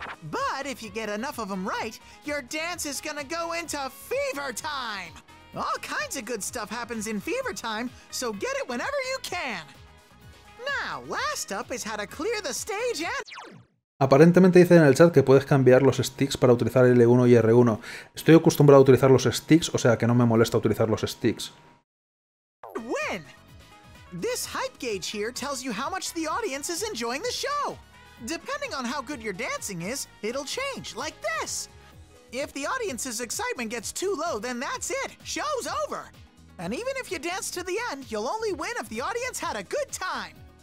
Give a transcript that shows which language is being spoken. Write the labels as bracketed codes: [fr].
[en] But if you get enough of them right, your dance is gonna go into fever time. All kinds of good stuff happens in fever time, so get it whenever you can. Now, last up is how to clear the stage and... [es] Aparentemente dice en el chat que puedes cambiar los sticks para utilizar L1 y R1. Estoy acostumbrado a utilizar los sticks, o sea que no me molesta utilizar los sticks. [en] Win. This hype gauge here tells you how much the audience is enjoying the show. Depending on how good your dancing is, it'll change, like this. If the audience's excitement gets too low, then that's it. Show's over. And even if you dance to the end, you'll only win if the audience had a good time.